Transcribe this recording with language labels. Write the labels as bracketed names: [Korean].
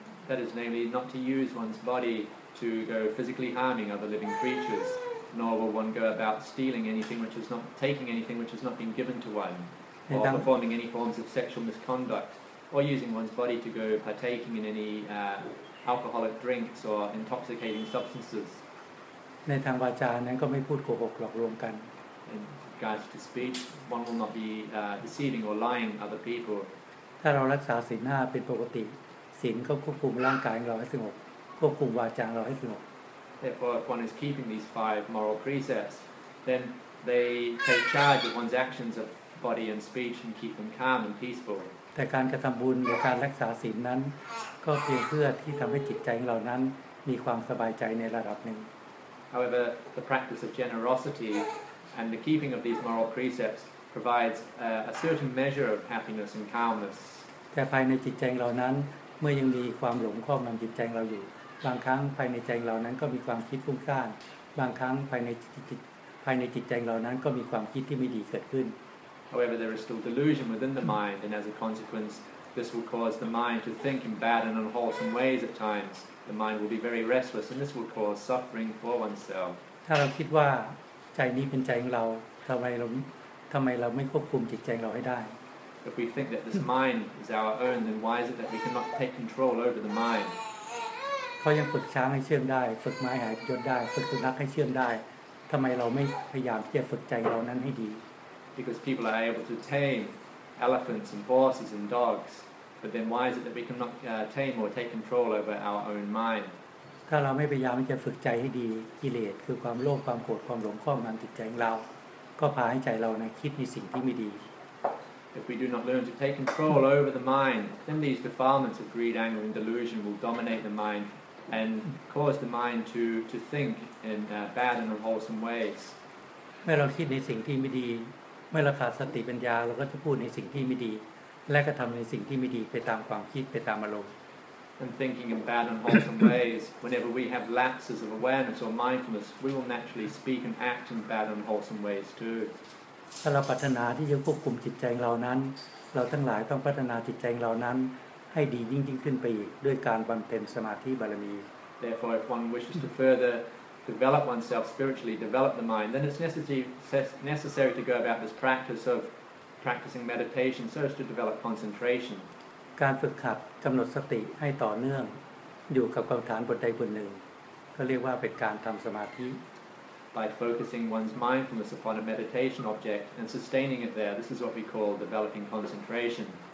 [English] That is namely not to use one's body to go physically harming other living creatures, nor will one go about stealing anything which is not, taking anything which has not been given to one, or performing any forms of sexual misconduct, or using one's body to go partaking in any alcoholic drinks or intoxicating substances. [Thai] ในทางวาจานั้นก็ไม่พูดโกหกหลอกลวงกัน [English] In regards to speech, one will not be deceiving or lying other people. [Thai] ถ้าเรารักษาศีล5เป็นปกติศีลก็ควบคุมร่างกายของเราให้สงบควบคุมวาจาเราให้สงบ [English] Therefore, if one is keeping these 5 moral precepts, then they take charge of one's actions of body and speech and keep them calm and peaceful. [Thai] แต่การกระทำบุญหรือการรักษาศีลนั้นก็เพียงเพื่อที่ทำให้จิตใจของเรานั้นมีความสบายใจในระดับหนึ่ง [English] However, the practice of generosity and the keeping of these moral precepts provides a certain measure of happiness and calmness. [Thai] แต่ภายในจิตใจของเรานั้นเมื่อยังมีความหลงครอบงำจิตใจของเราอยู่บางครั้งภายในใจของเรานั้นก็มีความคิดฟุ้งซ่านบางครั้งภายในจิตใจของเรานั้นก็มีความคิดที่ไม่ดีเกิดขึ้น [English] However, there is still delusion within the mind, and as a consequence, this will cause the mind to think in bad and unwholesome ways at times. The mind will be very restless, and this will cause suffering for oneself. [Thai] ถ้าเราคิดว่าใจนี้เป็นใจของเราทำไมเราไม่ควบคุมจิตใจเราให้ได้ [English] If we think that this mind is our own, then why is it that we cannot take control over the mind? [Thai] เขายังฝึกช้างให้เชื่องได้ฝึกไม้หายพยศได้ฝึกสุนัขให้เชื่องได้ทำไมเราไม่พยายามที่จะฝึกใจเรานั้นให้ดี [English] Because people are able to tame elephants and horses and dogs, but then why is it that we cannot tame or take control over our own mind? [Thai] ถ้าเราไม่พยายามที่จะฝึกใจให้ดีกิเลสคือความโลภความโกรธความหลงครอบงำจิตใจของเราก็พาให้ใจเรานะคิดในสิ่งที่ไม่ดี [English] If we do not learn to take control over the mind, then these defilements of greed, anger, and delusion will dominate the mind and cause the mind to think in bad and unwholesome ways. [Thai] เมื่อเราคิดในสิ่งที่ไม่ดีเมื่อเราขาดสติปัญญาเราก็จะพูดในสิ่งที่ไม่ดีและกระทำในสิ่งที่ไม่ดีไปตามความคิดไปตามอารมณ์ [English] And thinking in bad and wholesome ways, whenever we have lapses of awareness or mindfulness, we will naturally speak and act in bad and wholesome ways too. [Thai] ถ้าเราปรารถนาที่จะควบคุมจิตใจเรานั้นเราทั้งหลายต้องพัฒนาจิตใจเรานั้นให้ดียิ่งขึ้นไปอีกด้วยการบำเพ็ญสมาธิบารมี [English] Therefore, if one wishes to furtherDevelop oneself spiritually, develop the mind. Then it's necessary to go about this practice of practicing meditation, so as to develop concentration. [Thai] การฝึกขัดกำหนดสติให้ต่อเนื่องอยู่กับกรรมฐานบทใดบทหนึ่งก็เรียกว่าเป็นการทำสมาธิ [English] By focusing one's mindfulness upon a meditation object and sustaining it there, this is what we call developing concentration.